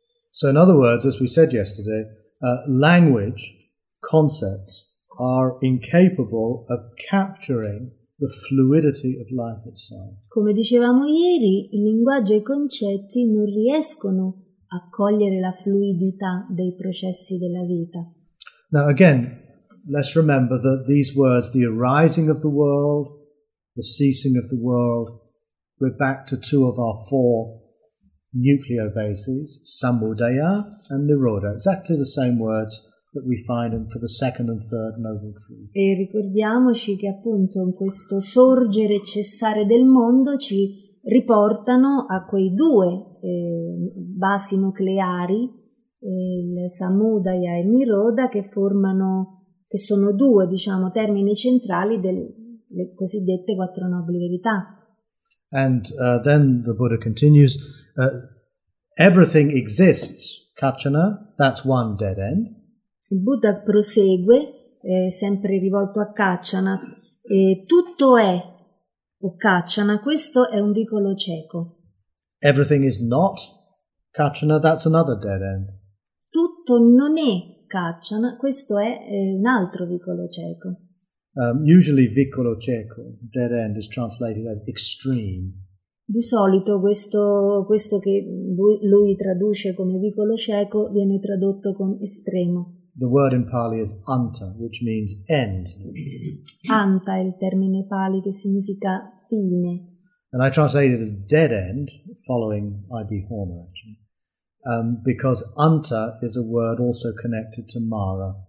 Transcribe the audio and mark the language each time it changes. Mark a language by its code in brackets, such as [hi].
[en] So in other words, as we said yesterday, language, concepts, are incapable of capturing the fluidity of life itself. [it] Come dicevamo ieri, il linguaggio e i concetti non riescono a cogliere la fluidità dei processi della vita. [en] Now again, let's remember that these words, the arising of the world, the ceasing of the world, we're back to two of our four nuclear bases, Sambuddhaya and Nirodha, exactly the same words that we find in for the second and third noble truth. [it] E ricordiamoci che appunto in questo sorgere e cessare del mondo ci riportano a quei due basi nucleari, il Sambuddhaya e Nirodha, che formano, che sono due, diciamo, termini centrali delle cosiddette quattro nobili verità. [en] And then the Buddha continues, everything exists, Kacchana, that's one dead end. [it] Il Buddha prosegue, sempre rivolto a Kacchana, tutto è, o Kacchana, questo è un vicolo cieco. [en] Everything is not, Kacchana, that's another dead end. [it] Tutto non è, Kacchana, questo è un altro vicolo cieco. [en] Usually [it] vicolo cieco, [en] dead end, is translated as extreme. [it] Di solito questo che lui traduce come vicolo cieco viene tradotto con estremo. [en] The word in Pali is anta, which means end. [it] Anta è il termine Pali che significa fine. [en] And I translate it as dead end, following I.B. Horner, actually. Because anta is a word also connected to Mara.